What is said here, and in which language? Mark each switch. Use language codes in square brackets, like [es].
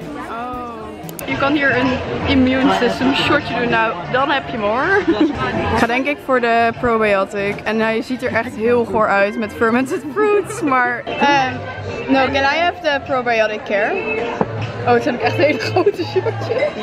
[nl] Oh. Je kan hier een immune system shotje doen. Nou, dan heb je hem hoor. Ik ga denk ik voor de probiotic. En hij ziet er echt heel goor uit met [en] fermented fruits. [nl] Maar. [en] No, can I have the probiotic care? [nl] Oh, het zijn echt hele grote shotjes.